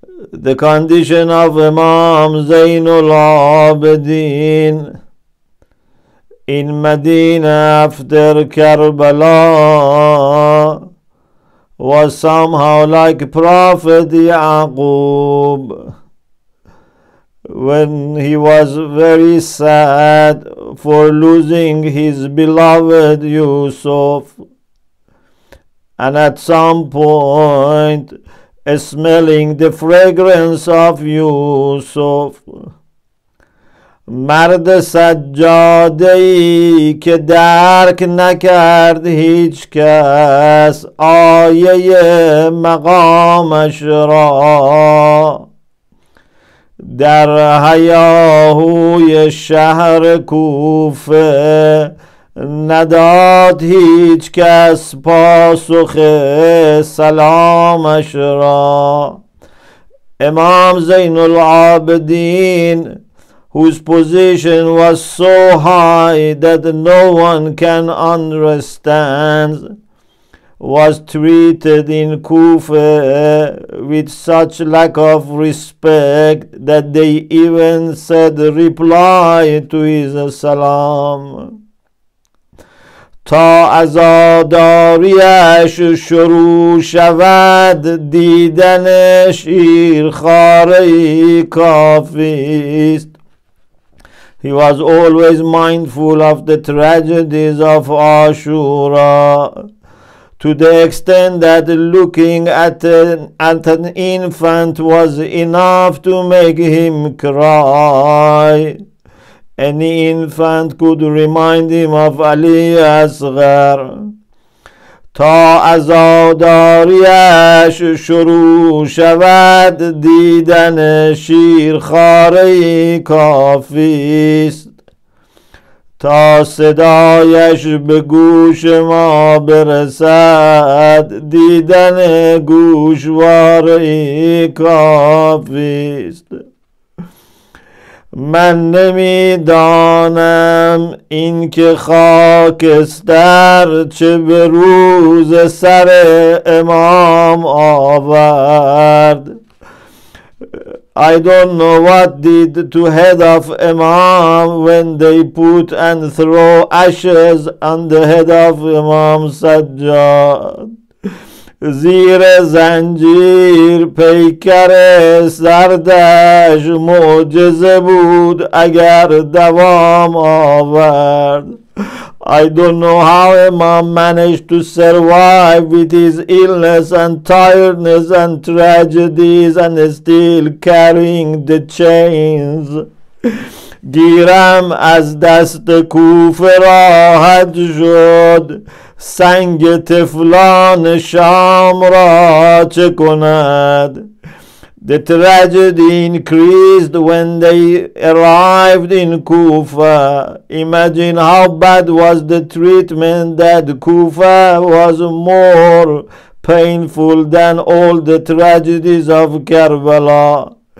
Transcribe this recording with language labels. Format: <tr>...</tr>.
<en>The condition of Imam Zainul Abidin in Medina after Karbala was somehow like Prophet Yaqub when he was very sad for losing his beloved Yusuf, and at some point smelling the fragrance of Yusuf.</en> <fa>مرد سجاده‌ای که درک نکرد هیچ کس آیه مقامش را در هیاهوی شهر کوفه نداد هیچ کس پاسخ سلامش را</fa> <en>امام زین العابدین whose position was so high that no one can understand, was treated in Kufa with such lack of respect that they even said reply to his salam.</en> <fa>تا عزاداریش شروع شود دیدن شیرخواره کافیست.</fa> <en>He was always mindful of the tragedies of Ashura to the extent that looking at an infant was enough to make him cry. Any infant could remind him of Ali Asghar.</en> <fa>تا عزاداریش شروع شود دیدن شیرخواره کافیست. تا صدایش به گوش ما برسد دیدن گوشواره کافیست. من نمیدانم این که خاکستر چه به روز سر امام آورد.</fa> <en>I don't know what did to head of Imam when they put and throw ashes on the head of Imam Sajjad.</en> <fa>زیر زنجیر پیکر سردش معجزه بود اگر دوام آورد.</fa> <en>I don't know how Imam managed to survive with his illness and tiredness and tragedies and still carrying the chains.</en> <fa>گیرم از دست کوفه راحت شد سنگ طفلان شام را چه کند.</fa> <en>The tragedy increased when they arrived in Kufa. Imagine how bad was the treatment, that Kufa was more painful than all the tragedies of Karbala.</en>